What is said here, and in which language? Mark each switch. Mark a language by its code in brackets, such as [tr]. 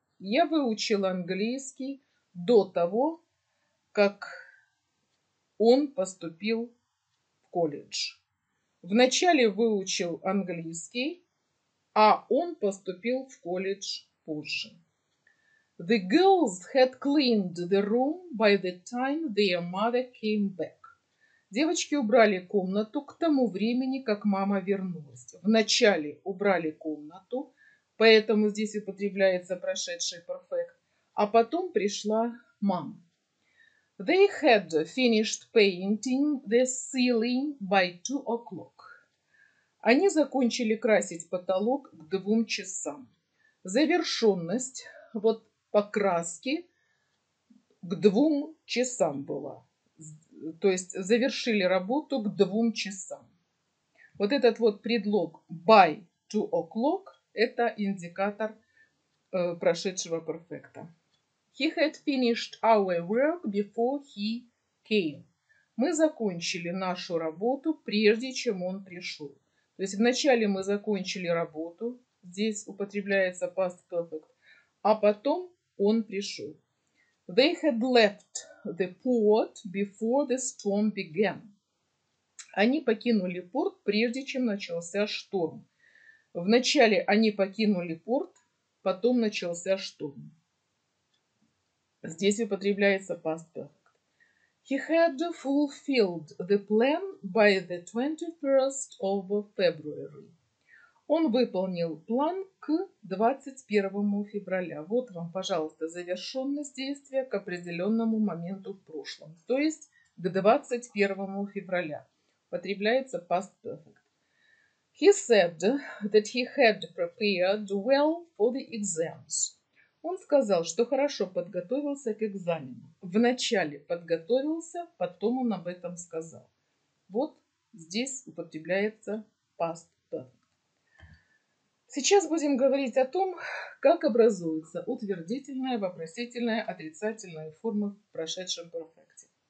[ru] Я выучил английский до того, как он поступил в колледж. Вначале выучил английский, а он поступил в колледж позже. [en] The girls had cleaned the room by the time their mother came back. [ru] Девочки убрали комнату к тому времени, как мама вернулась. Вначале убрали комнату, поэтому здесь употребляется прошедший перфект, а потом пришла мама. [en] They had finished painting the ceiling by 2 o'clock. [ru] Они закончили красить потолок к 2 часам. Завершенность вот покраски к 2 часам была. То есть завершили работу к 2 часам. Вот этот вот предлог [en] by 2 o'clock [ru] это индикатор прошедшего перфекта. [en] He had finished our work before he came. [ru] Мы закончили нашу работу, прежде чем он пришел. То есть вначале мы закончили работу, здесь употребляется past perfect, а потом он пришел. [en] They had left the port before the storm began. [ru] Они покинули порт, прежде чем начался шторм. Вначале они покинули порт, потом начался шторм. Здесь употребляется past perfect. [en] He had fulfilled the plan by the 21st of February. [ru] Он выполнил план к 21 февраля. Вот вам, пожалуйста, завершенность действия к определенному моменту в прошлом. То есть к 21 февраля. Употребляется past perfect. [en] He said that he had prepared well for the exams. [ru] Он сказал, что хорошо подготовился к экзамену. Вначале подготовился, потом он об этом сказал. Вот здесь употребляется past perfect. Сейчас будем говорить о том, как образуются утвердительные, вопросительные, отрицательные формы в прошедшем перфекте.